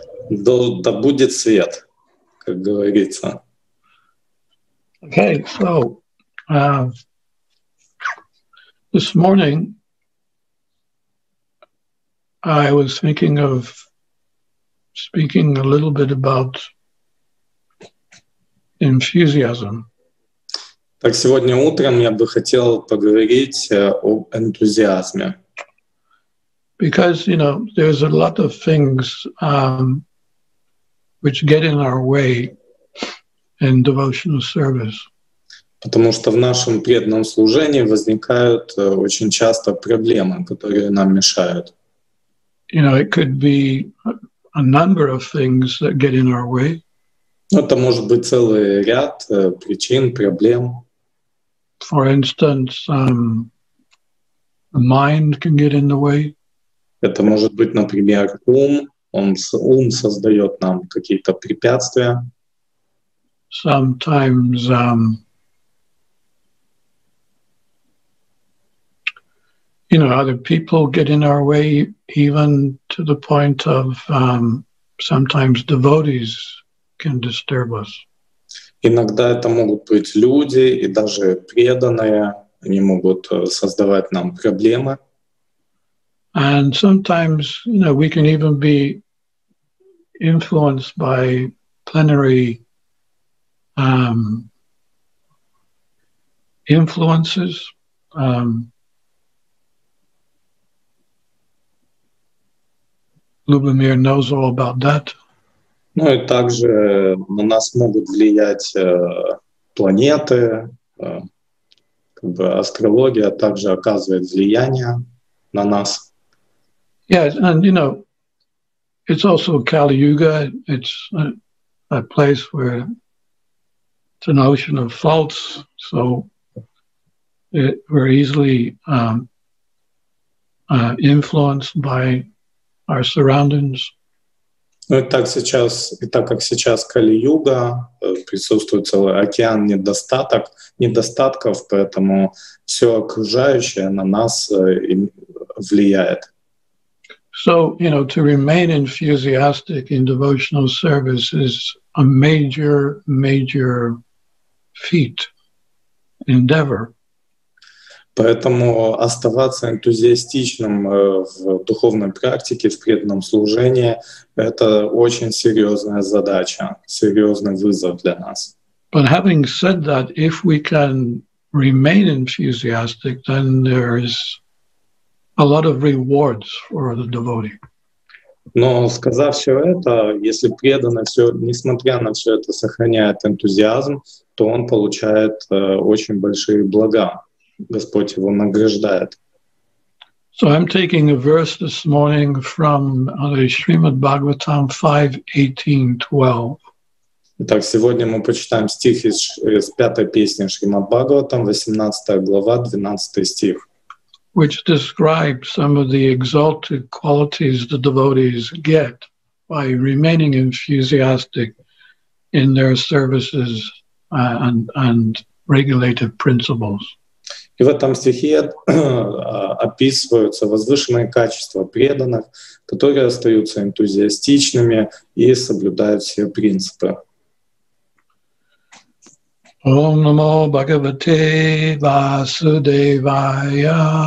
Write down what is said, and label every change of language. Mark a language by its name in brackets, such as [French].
[Russian] Да будет свет, как говорится. [English] Okay, so this morning I was thinking of speaking a little bit about enthusiasm. [Russian] Так сегодня утром я бы хотел поговорить об энтузиазме. [English] Because, you know, there's a lot of things which get in our way in devotional service. [Russian] Потому что в нашем преданном служении возникают очень часто проблемы, которые нам мешают. [English] You know, it could be a number of things that get in our way. [Russian] Это может быть целый ряд причин, проблем. [English] For instance, the mind can get in the way. [Russian] Это может быть, например, ум. Ум создает нам какие-то препятствия. [English] Sometimes you know, other people get in our way, even to the point of sometimes devotees can disturb us. [Russian] Иногда это могут быть люди, и даже преданные, они могут создавать нам проблемы. [English] And sometimes, you know, we can even be influenced by plenary influences. Lubomir knows all about that. [Russian] Ну и также на нас могут влиять планеты, как бы астрология также оказывает влияние на нас. [English] Yes, and you know, it's also Kali Yuga. It's a place where it's an ocean of faults, so we're easily influenced by our surroundings. [Russian] Ну и так сейчас, и так как сейчас Кали-Юга, присутствует целый океан недостатков, поэтому все окружающее на нас влияет. [English] So, you know, to remain enthusiastic in devotional service is a major, major feat, endeavor. [Russian] Поэтому оставаться энтузиастичным в духовной практике, в преданном служении — это очень серьезная задача, серьезный вызов для нас. [English] But having said that, if we can remain enthusiastic, then there is a lot of rewards for the devotee. [Russian] Но сказав все это, если преданный все, несмотря на все это, сохраняет энтузиазм, то он получает очень большие блага. Господь его награждает. [English] So I'm taking a verse this morning from Srimad Bhagavatam 5.18.12. [Russian] Итак, сегодня мы почитаем стих из пятой песни Шримад Бхагаватам, 18 глава, 12 стих. [English] Which describes some of the exalted qualities the devotees get by remaining enthusiastic in their services and regulated principles. [Russian] И в этом стихе описываются возвышенные качества преданных, которые остаются энтузиастичными и соблюдают все принципы. [Sanskrit] Ом намо Бхагавате Васудевая.